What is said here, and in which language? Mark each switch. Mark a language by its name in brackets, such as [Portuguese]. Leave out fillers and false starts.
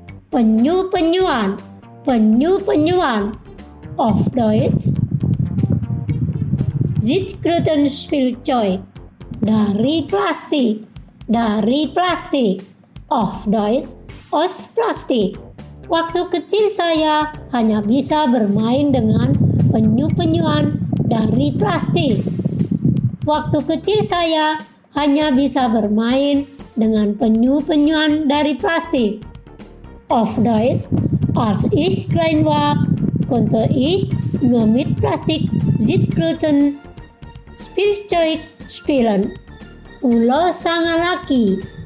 [German] Penyu-penyuan, auf Deutsch. Zitkrötenspielzeug, [Indonesian] dari plastik, [German] auf Deutsch. Aus plastik. [Indonesian] Waktu kecil saya hanya bisa bermain dengan penyu-penyuan dari plastik. Waktu kecil saya hanya bisa bermain dengan penyu-penyuan dari plastik. [German] Auf Deutsch, als ich klein war, konnte ich nur mit Plastik Zitkröten Spielzeug spielen. [Indonesian] Pulau Sangalaki.